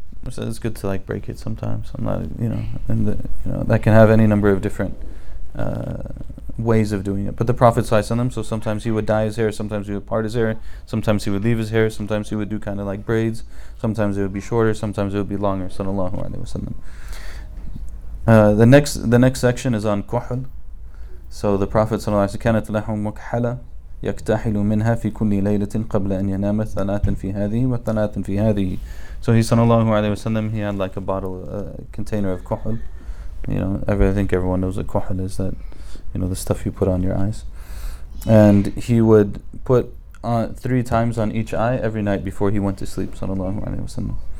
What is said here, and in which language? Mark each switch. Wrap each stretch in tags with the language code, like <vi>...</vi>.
<en>So it's good to like break it sometimes. I'm not, you know, and the, you know, that can have any number of different ways of doing it. But the Prophet sallallahu alaihi wasallam, so sometimes he would dye his hair, sometimes he would part his hair, sometimes he would leave his hair, sometimes he would do kind of like braids, sometimes it would be shorter, sometimes it would be longer, sallallahu alaihi wasallam. The next section is on kuhl. So the Prophet sallallahu alaihi wasallam,</en> <ar>كانت لهم مكحلة يكتحلوا منها في كل ليلة قبل أن ينام ثلاثا في هذه وثلاثا في هذه.</ar> <en>So he sallallahu alaihi wasallam, he had like a bottle, a container of kuhl. You know, I think everyone knows what kuhl is, that, you know, the stuff you put on your eyes. And he would put on three times on each eye every night before he went to sleep, sallallahu alaihi wasallam.</en>